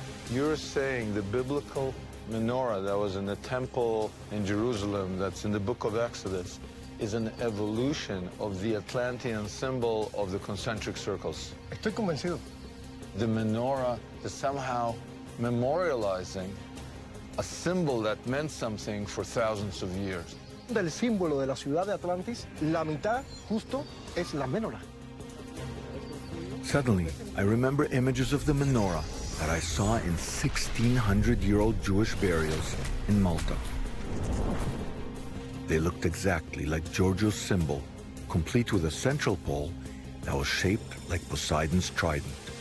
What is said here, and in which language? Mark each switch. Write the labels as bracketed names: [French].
[English] You're saying the biblical menorah that was in the temple in Jerusalem that's in the book of Exodus is an evolution of the Atlantean symbol of the concentric circles. [Spanish] Estoy convencido. [English] The menorah is somehow memorializing a symbol that meant something for thousands of years. [Spanish] Del símbolo de la ciudad de Atlantis, la mitad justo es la menorah. [English] Suddenly, I remember images of the menorah that I saw in 1600-year-old Jewish burials in Malta. They looked exactly like Georgios' symbol, complete with a central pole that was shaped like Poseidon's trident.